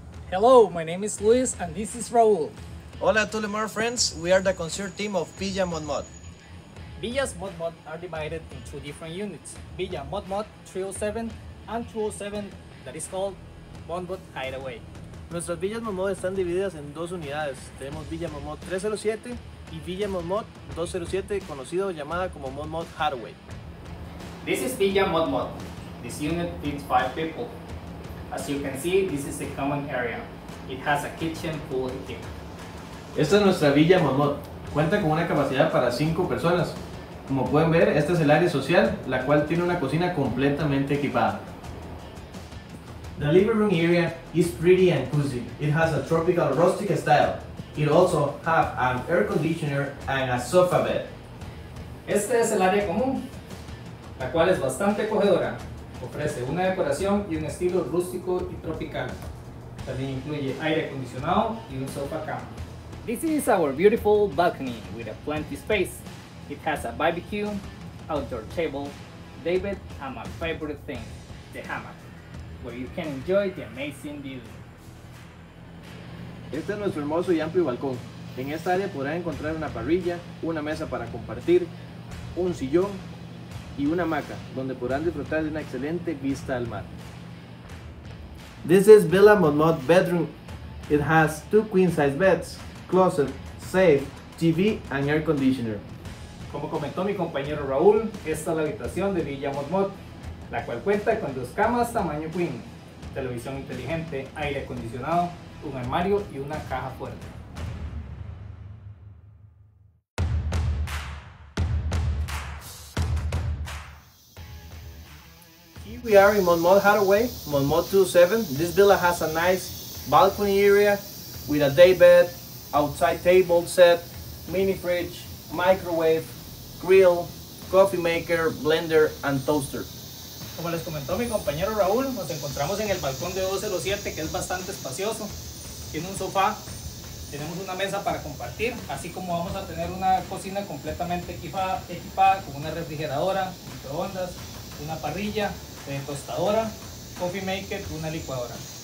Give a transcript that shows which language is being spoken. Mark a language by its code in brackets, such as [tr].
[en] Hello, my name is Luis and this is Raul. Hola Tulemar friends, we are the concert team of Villa Mot Mot. Villa's Mot Mot are divided into two different units, Villa Mot Mot 307 and 207 that is called Mot Mot Hideaway. [es] Nuestras Villas Mot Mot están divididas en dos unidades, tenemos Villa Mot Mot 307 y Villa Mot Mot 207, conocido llamada como Mot Mot Hideaway. [en] This is Villa Mot Mot. This unit feeds 5 people. As you can see, this is a common area. It has a kitchen full of equipment. [es] Esta es nuestra Villa Mot Mot. Cuenta con una capacidad para 5 personas. Como pueden ver, esta es el área social, la cual tiene una cocina completamente equipada. [en] The living room area is pretty and cozy. It has a tropical rustic style. It also has an air conditioner and a sofa bed. [es] Este es el área común, la cual es bastante acogedora. Ofrece una decoración y un estilo rústico y tropical. También incluye aire acondicionado y un sofa cama. [en] This is our beautiful balcony with a plenty space. It has a barbecue, outdoor table, David, and my favorite thing, the hammock, where you can enjoy the amazing view. [es] Este es nuestro hermoso y amplio balcón. En esta área podrás encontrar una parrilla, una mesa para compartir, un sillón y una hamaca, donde podrán disfrutar de una excelente vista al mar. [en] This is Villa Mot Mot bedroom. It has 2 queen size beds, closet, safe, TV and air conditioner. [es] Como comentó mi compañero Raúl, esta es la habitación de Villa Mot Mot, la cual cuenta con 2 camas tamaño queen, televisión inteligente, aire acondicionado, un armario y una caja fuerte. [en] We are in Mot Mot Hideaway, Mot Mot 207. This villa has a nice balcony area with a day bed, outside table set, mini fridge, microwave, grill, coffee maker, blender, and toaster. [es] Como les comentó mi compañero Raúl, nos encontramos en el balcón de 207, que es bastante espacioso. Tiene un sofá, tenemos una mesa para compartir, así como vamos a tener una cocina completamente equipada con una refrigeradora, microondas, una parrilla, tostadora, coffee maker, una licuadora.